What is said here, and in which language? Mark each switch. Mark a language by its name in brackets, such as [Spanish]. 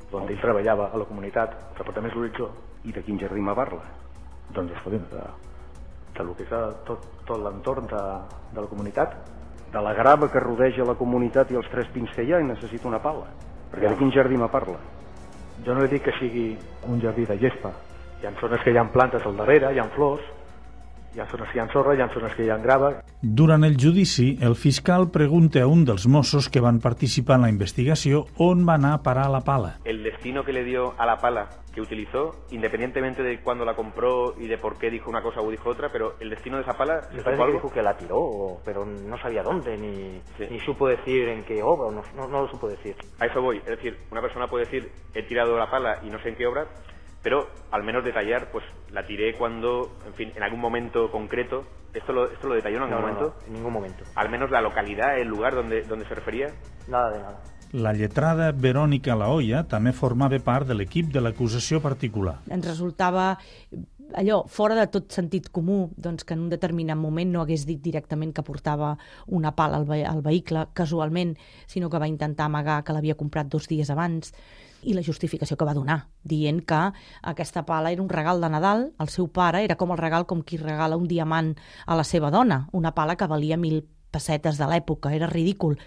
[Catalan] On ell treballava, a la comunitat, el departament d'Horitzó. I de quin jardí me parla? Doncs, escolti'm, de lo que és tot l'entorn de la comunitat. De la grava que rodeja la comunitat i els tres pins que hi ha, i necessito una pala. Perquè de quin jardí me parla? Jo no li dic que sigui un jardí de gespa. Hi ha zones que hi ha plantes al darrere, hi ha flors... Hi ha zones que hi ha sorra, hi ha zones que hi ha grava. Durant el judici, el fiscal pregunta a un dels Mossos que van participar en la investigació on va anar a parar la pala. [Spanish] El destino que le dio a la pala que utilizó, independientemente de cuándo la compró y de por qué dijo una cosa o dijo otra, pero el destino de esa pala... Me parece que dijo que la tiró, pero no sabía dónde, ni supo decir en qué obra, no lo supo decir. A eso voy, es decir, una persona puede decir, he tirado la pala y no sé en qué obra... Pero al menos detallar, pues la tiré cuando, en fin, en algún momento concreto. ¿Esto lo detalló en algún momento? No, en ningún momento. Al menos la localidad, el lugar donde se refería. Nada de nada. [Catalan] La lletrada Verónica Lahoya també formava part de l'equip de l'acusació particular. Ens resultava allò, fora de tot sentit comú, doncs que en un determinat moment no hagués dit directament que portava una pala al vehicle, casualment, sinó que va intentar amagar que l'havia comprat dos dies abans, i la justificació que va donar, dient que aquesta pala era un regal de Nadal, el seu pare era com el regal com qui regala un diamant a la seva dona, una pala que valia 1.000 pessetes de l'època, era ridícul.